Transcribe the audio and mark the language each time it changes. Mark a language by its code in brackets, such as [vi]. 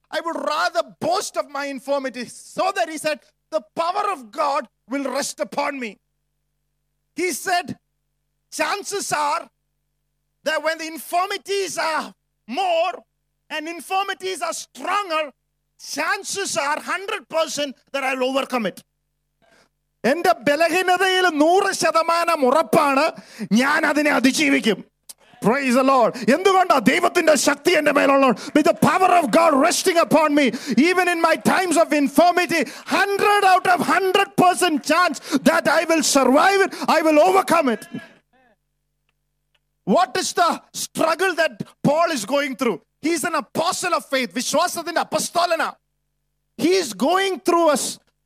[en] I would rather boast of my infirmity. So that he said, the power of God will rest upon me. He said, chances are that when the infirmities are more and infirmities are stronger, chances are 100% that I'll overcome it. [ml] എന്റെ ബലഹീനതയിൽ 100% ഉറപ്പാണ് ഞാൻ അതിനെ അതിജീവിക്കും. [en] Praise the Lord. [ml] എന്തുകൊണ്ടാ ദൈവത്തിന്റെ ശക്തി എന്റെ മേലുള്ളത്. [en] With the power of God resting upon me, even in my times of infirmity, 100 out of 100% chance that I will survive it, I will overcome it. What is the struggle that Paul is going through? He is an apostle of faith. [ml] വിശ്വാസത്തിന്റെ അപ്പസ്തോലന. [en] He is going through us.